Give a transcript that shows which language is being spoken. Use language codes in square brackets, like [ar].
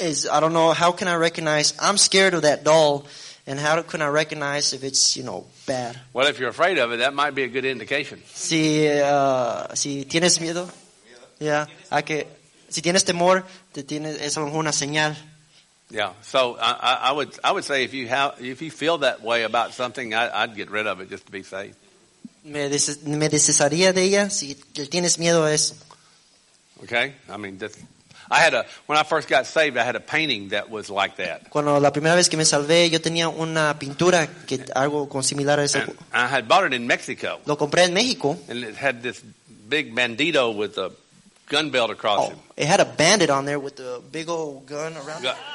[en] I don't know, how can I recognize? I'm scared of that doll, and how can I recognize if it's, you know, bad? Well, if you're afraid of it, that might be a good indication. [es] Si tienes miedo, yeah, si tienes temor, es una señal. [en] Yeah, so I would say if you feel that way about something, I'd get rid of it just to be safe. [es] Me deshacería de ella si tienes miedo a eso. [en] Okay, I mean, when I first got saved, I had a painting that was like that. [es] Cuando la primera vez que me salvé, yo tenía una pintura que algo con similar a eso. [en] I had bought it in Mexico. [es] Lo compré en México. [en] And it had this big bandito with a gun belt across him. It had a bandit on there with a big old gun around.